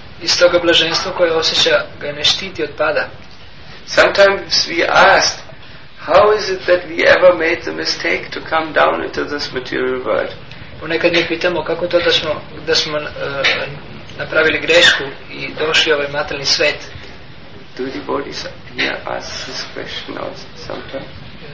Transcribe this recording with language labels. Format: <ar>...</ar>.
<sr>Iz toga blaženstva koje osjeća ga ne štiti od pada.</sr> <en>Sometimes we ask, how is it that we ever made the mistake to come down into this material world?</en> <sr>Ponekad mi pitamo kako to da smo napravili grešku i došli u ovaj materijalni svijet.</sr> <en>Do the devotees here ask this question also sometimes?</en>